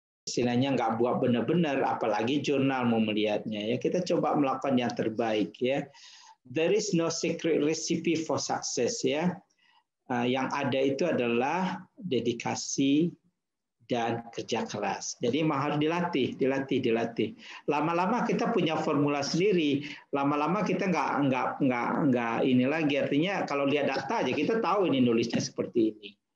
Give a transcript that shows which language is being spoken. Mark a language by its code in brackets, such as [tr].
[id] istilahnya nggak buat benar-benar, apalagi jurnal mau melihatnya. Ya, kita coba melakukan yang terbaik. [en] Ya, there is no secret recipe for success. [id] Ya, yang ada itu adalah dedikasi dan kerja keras. Jadi harus dilatih. Lama-lama kita punya formula sendiri. Lama-lama kita nggak ini lagi. Artinya kalau lihat data aja kita tahu ini nulisnya seperti ini.